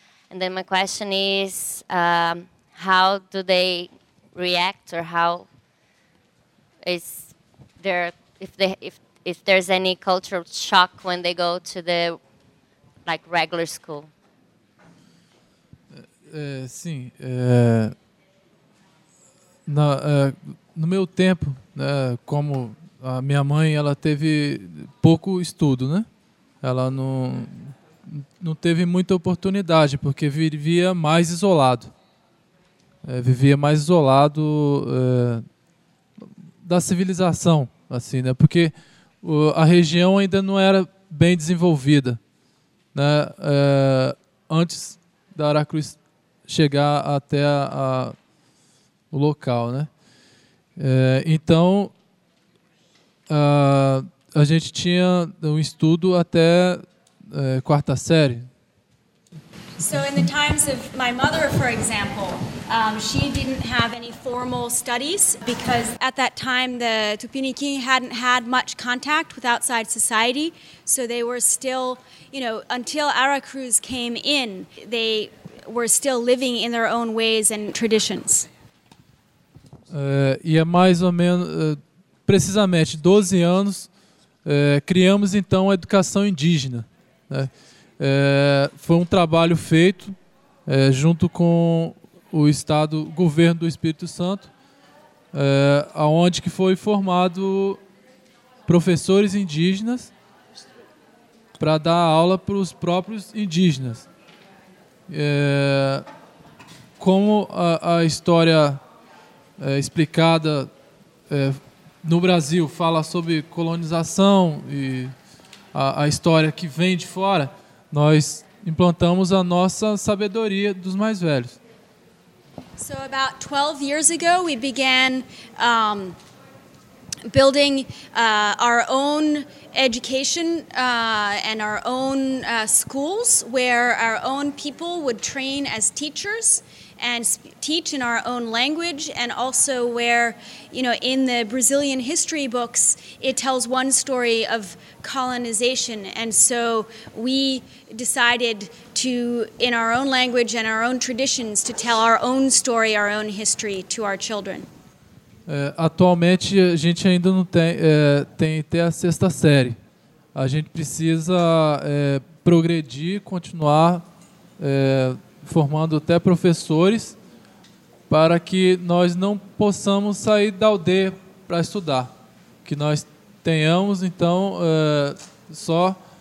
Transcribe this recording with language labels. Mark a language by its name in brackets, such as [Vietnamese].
[English] And then my question is, how do they react, or how is there, if there's any cultural shock when they go to the, like, regular school? [Portuguese] Sim. No meu tempo, né, como a minha mãe, ela teve pouco estudo, né? Ela não teve muita oportunidade, porque vivia mais isolado. Vivia mais isolado da civilização, assim, né? Porque a região ainda não era bem desenvolvida, né? Antes da Aracruz chegar até o local, né? Então a gente tinha um estudo até quarta série. [English] So in the times of my mother, for example, she didn't have any formal studies because at that time the Tupiniquim hadn't had much contact with outside society, so they were still, you know, until Aracruz came in, they were still living in their own ways and traditions. [Portuguese] E é mais ou menos, precisamente, 12 anos, criamos então a educação indígena. Né? Foi um trabalho feito junto com o Estado, governo do Espírito Santo, onde que foi formado professores indígenas para dar aula para os próprios indígenas. Como a história explicada no Brasil, fala sobre colonização e a história que vem de fora, nós implantamos a nossa sabedoria dos mais velhos. [English] So about 12 years ago we began building our own education and our own schools where our own people would train as teachers and teach in our own language, and also where, you know, in the Brazilian history books, it tells one story of colonization. And so we decided to, in our own language and our own traditions, to tell our own story, our own history to our children. [Portuguese] Atualmente, a gente ainda não tem até a sexta série. A gente precisa progredir, continuar formando até professores para que nós não possamos sair da aldeia para estudar, que nós tenhamos então só